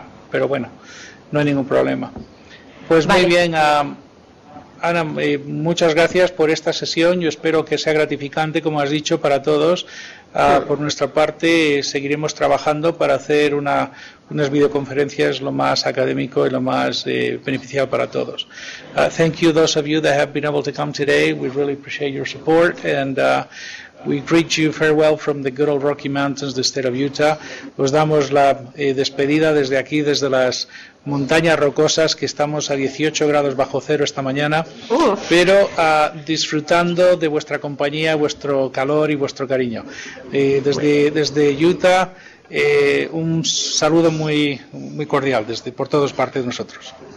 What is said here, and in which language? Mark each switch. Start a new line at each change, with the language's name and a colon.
Spanish: pero bueno, no hay ningún problema. Pues vale. Muy bien, Ana, muchas gracias por esta sesión. Yo espero que sea gratificante, como has dicho, para todos. Por nuestra parte, seguiremos trabajando para hacer unas videoconferencias lo más académico y lo más beneficial para todos.
English: Thank you, those of you that have been able to come today. We really appreciate your support, and we greet you farewell from the good old Rocky Mountains, the state of Utah.
Spanish: Os damos la despedida desde aquí, desde las montañas rocosas, que estamos a 18 grados bajo cero esta mañana, pero disfrutando de vuestra compañía, vuestro calor y vuestro cariño. Desde Utah, un saludo muy, muy cordial desde por todas partes de nosotros.